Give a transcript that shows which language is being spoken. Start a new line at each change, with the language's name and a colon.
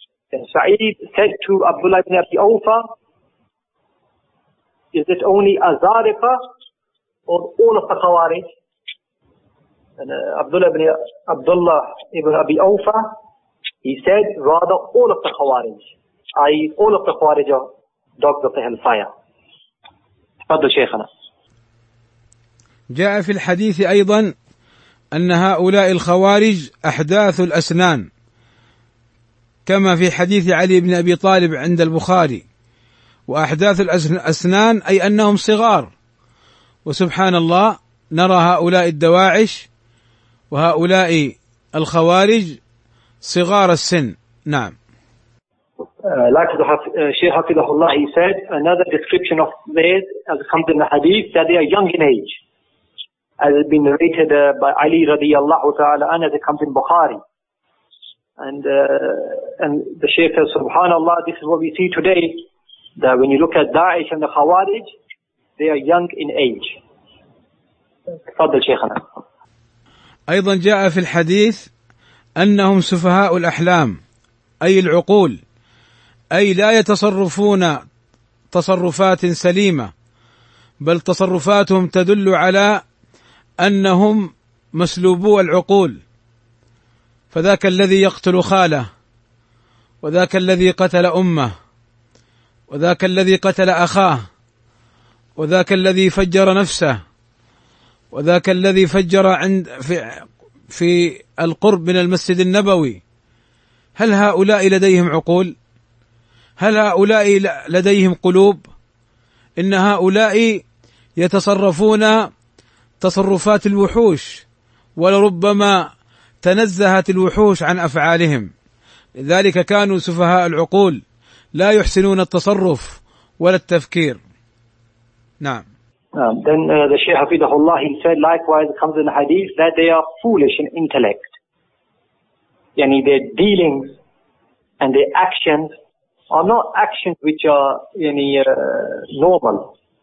English: Sa'id said to Abdullah ibn Abi Awfa, is it only Azarifa or all of the Khawarij? And Abdullah ibn Abi Awfa, he said rather all of the Khawarij, i.e. all of the Khawarij are dogs of the hellfire.
Arabic: Fadl Shaykhana. جاء في الحديث أيضا أن هؤلاء الخوارج أحداث الأسنان كما في حديث علي بن أبي طالب عند البخاري. وأحداث الأسنان أي أنهم صغار، وسبحان الله نرى هؤلاء الدواعش وهؤلاء الخوارج صغار السن. نعم.
English: Like the Shaykh Hafidhah Allah, he said another description of theirs in the hadith that they are young in age. As has been narrated by Ali radiallahu ta'ala and as it comes in Bukhari. And the Shaykh says, subhanAllah, this is what we see today, that when you look at Daesh and the Khawarij, they are young in age.
Arabic: Fadl Shaykhana. أيضا جاء في الحديث أنهم سفهاء الأحلام أي العقول، أي لا يتصرفون تصرفات سليمة، بل تصرفاتهم تدل على أنهم مسلوبو العقول. فذاك الذي يقتل خاله، وذاك الذي قتل أمه، وذاك الذي قتل أخاه، وذاك الذي فجر نفسه، وذاك الذي فجر عند في القرب من المسجد النبوي. هل هؤلاء لديهم عقول؟ هل هؤلاء لديهم قلوب؟ إن هؤلاء يتصرفون تصرفات الوحوش، ولربما تنزهت الوحوش عن أفعالهم، لذلك كانوا سفهاء العقول لا يحسنون التصرف ولا التفكير. نعم.
English: Then the Shaykh Hafidhahullah, he said likewise comes in the hadith that they are foolish in intellect. Yani their dealings and their actions are not actions which are normal.